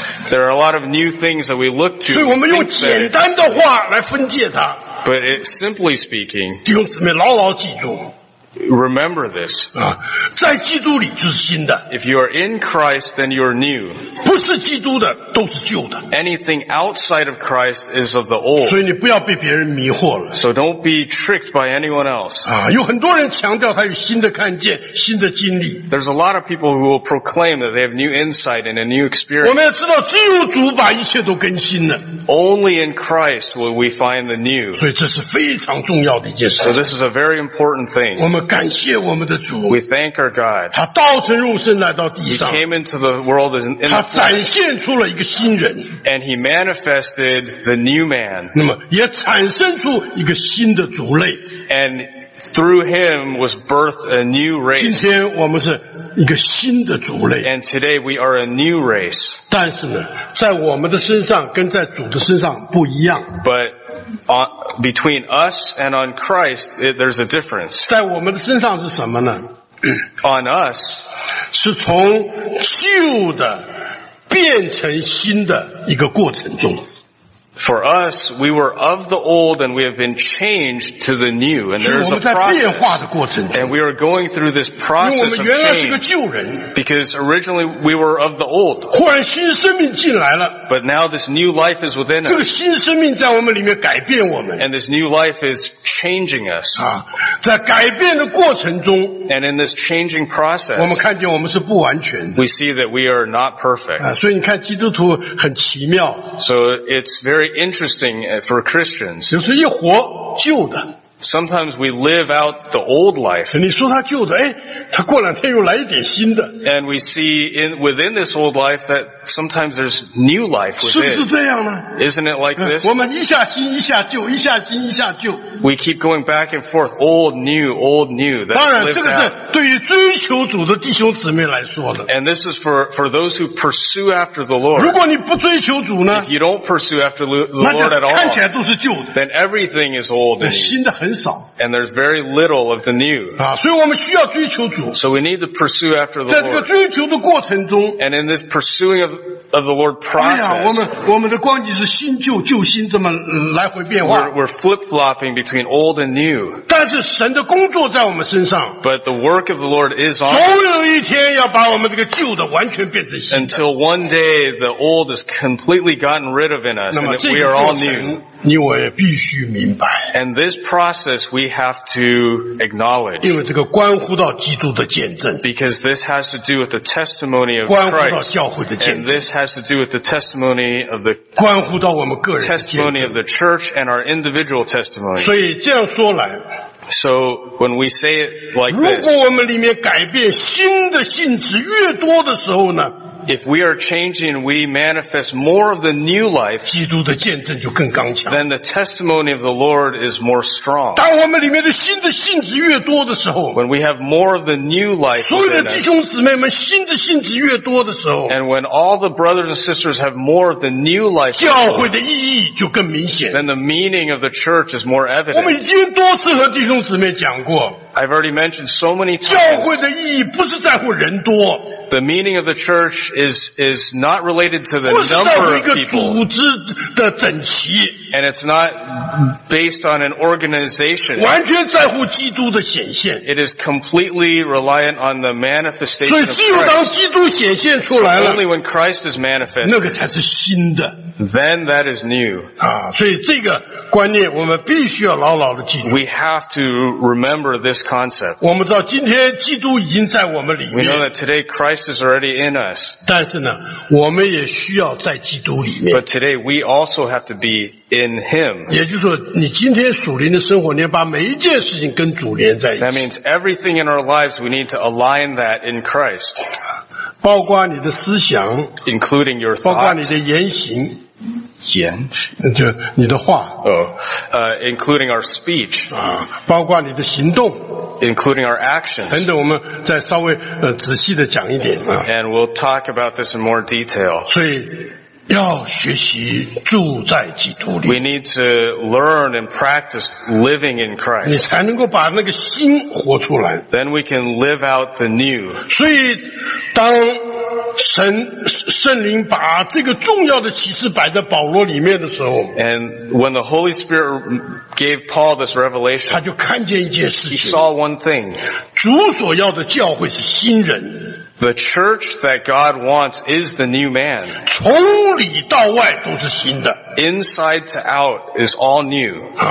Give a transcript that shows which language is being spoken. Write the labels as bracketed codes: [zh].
[en] There are a lot of new things that we look to. [zh] 所以我们用简单的话来分解它。 [en] But it, simply speaking, [zh] 弟兄姊妹牢牢记住。 [en] Remember this. [zh] 在基督里就是新的。 [en] If you are in Christ, then you are new. [zh] 不是基督的都是旧的。 [en] Anything outside of Christ is of the old. [zh] 所以你不要被别人迷惑了。 [en] So don't be tricked by anyone else. [zh] 有很多人强调他有新的看见，新的经历。 [en] There's a lot of people who will proclaim that they have new insight and a new experience. [zh] 我们要知道只有主把一切都更新了。 [en] Only in Christ will we find the new. [zh] 所以这是非常重要的一件事。 [en] So this is a very important thing. [zh] 我们感谢我们的主。 [en] We thank our God. [zh] 他道成肉身来到地上。 [en] He came into the world as an infant. [zh] 他展现出了一个新人。 [en] And he manifested the new man. [zh] 那么也产生出一个新的族类。 [en] And through him was birthed a new race. [zh] 今天我们是一个新的族类。 [en] And today we are a new race. [zh] 但是呢，在我们的身上跟在主的身上不一样。 [en] But between us and on Christ, there's a difference. [zh] 在我们的身上是什么呢？ [en] On us, [zh] 是从旧的变成新的一个过程中。 [en] For us, we were of the old and we have been changed to the new. And there is a process. And we are going through this process of change. Because originally we were of the old. But now this new life is within us. And this new life is changing us. And in this changing process, we see that we are not perfect. So it's very interesting for Christians. [zh] 就是一活旧的。 [en] Sometimes we live out the old life. [zh] 你说他旧的，哎，他过两天又来一点新的。 [en] And we see in within this old life that sometimes there's new life within. [zh] 是不是这样呢？ [en] Isn't it like this? [zh] 我们一下新一下旧，一下新一下旧。 [en] We keep going back and forth, old new, old new. [zh] 当然，这个是对于追求主的弟兄姊妹来说的。 [en] And this is for those who pursue after the Lord. [zh] 如果你不追求主呢？ [en] If you don't pursue after the Lord at all, [zh] 看起来都是旧的。 [en] Then everything is old and new. [zh] 新的很少。 [en] And there's very little of the new. [zh] 所以我们需要追求主。 [en] So we need to pursue after the Lord. [zh] 在这个追求的过程中。 [en] And in this pursuing of the Lord process. [zh] 哎呀，我们的光景是新旧旧新这么来回变化。 [en] We're flip-flopping between old and new. [zh] 但是神的工作在我们身上。 [en] But the work of the Lord is on. [zh] 总有一天要把我们这个旧的完全变成新的。 [en] Until one day the old is completely gotten rid of in us. [zh] 那么这个过程 [en] we are all new. [zh] 你我也必须明白。 [en] And this process we have to acknowledge. [zh] 因为这个关乎到基督的见证。 [en] Because this has to do with the testimony of Christ. [zh] 关乎到教会的见证。 [en] And this has to do with the testimony of the [zh] 关乎到我们个人的见证。 [en] Testimony of the church and our individual testimony. [zh] 所以这样说来。 [en] So when we say it like this. [zh] 如果我们里面改变新的性质越多的时候呢。 [en] If we are changing, we manifest more of the new life, [zh] 基督的见证就更刚强。 [en] Then the testimony of the Lord is more strong. [zh] 当我们里面的新的性质越多的时候， [en] when we have more of the new life, [zh] 所有的弟兄姊妹们新的性质越多的时候， [en] and when all the brothers and sisters have more of the new life, [zh] 教会的意义就更明显。 [en] Then the meaning of the church is more evident. [zh] 我们已经多次和弟兄姊妹讲过。 [en] I've already mentioned so many times. [zh] 教会的意义不是在乎人多。 [en] The meaning of the church is not related to the number of people. [zh] 不是在乎一个组织的整齐。 [en] And it's not based on an organization. [zh] 完全在乎基督的显现。 [en] It is completely reliant on the manifestation of Christ. [zh] 所以只有当基督显现出来了。 [en] So only when Christ is manifested. [zh] 那个才是新的。 [en] Then that is new. [zh] 所以这个观念我们必须要牢牢的记住。 [en] We have to remember this concept. [zh] 我们知道今天基督已经在我们里面。 [en] We know that today Christ is already in us. [zh] 但是呢，我们也需要在基督里面。 [en] But today we also have to be in Him. [zh] 也就是说，你今天属灵的生活，你要把每一件事情跟主连在一起。 [en] That means everything in our lives we need to align that in Christ. [zh] 包括你的思想， [en] including your thought, [zh] 包括你的言行。言就你的话、 [en] including our speech [zh] 包括你的行动 [en] including our actions [zh] 等等我们再稍微仔细的讲一点 [en] and we'll talk about this in more detail [zh] 所以要学习住在基督里。 [en] We need to learn and practice living in Christ. [zh] 你才能够把那个新活出来。 [en] Then we can live out the new. [zh] 所以当神圣灵把这个重要的启示摆在保罗里面的时候 [en] And when the Holy Spirit gave Paul this revelation, [zh] 他就看见一件事情。 [en] He saw one thing. [zh] 主所要的教会是新人。 [en] The church that God wants is the new man. [zh] 从里到外都是新的。 [en] Inside to out is all new.